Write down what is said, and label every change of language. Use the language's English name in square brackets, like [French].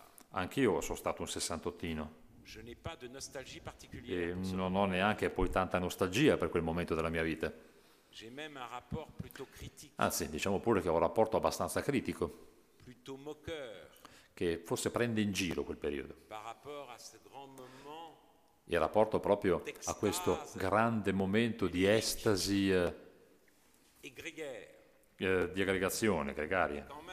[Italian] Anch'io sono stato un 68ino. [French] Je n'ai pas de nostalgie particulière. [Italian] E non ho neanche poi tanta nostalgia per quel momento della mia vita. [French] J'ai même un rapport plutôt critique. [Italian] Anzi, diciamo pure che ho un rapporto abbastanza critico. [French] Plutôt moqueur. [Italian] Che forse prende in giro quel periodo. [French] Par rapport à ce grand moment. [Italian] Il rapporto proprio a questo grande momento di estasi di aggregazione, gregaria.